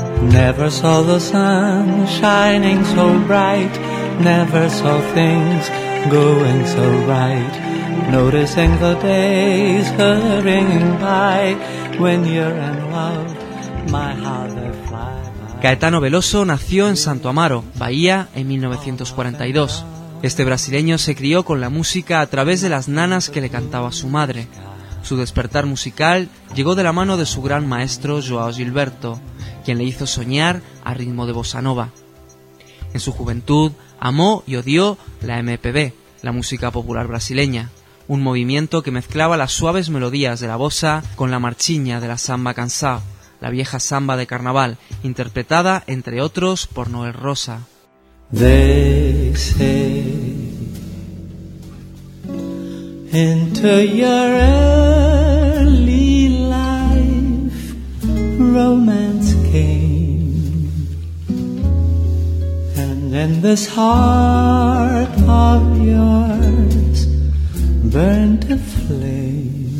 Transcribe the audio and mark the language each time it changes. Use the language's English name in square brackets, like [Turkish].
[English] Never saw the sun shining so bright. Never saw things going so right. Noticing the days hurrying by. When you're in love, my heart will fly by. [Spanish] Caetano Veloso nació en Santo Amaro, Bahía, en 1942. Este brasileño se crió con la música a través de las nanas que le cantaba su madre. Su despertar musical llegó de la mano de su gran maestro João Gilberto, quien le hizo soñar a ritmo de bossa nova. En su juventud, amó y odió la MPB, la música popular brasileña, un movimiento que mezclaba las suaves melodías de la bossa con la marchiña de la samba cansao, la vieja samba de carnaval, interpretada, entre otros, por Noel Rosa. [English] They say, into your early life, romance came. And in this heart of yours, burned a flame.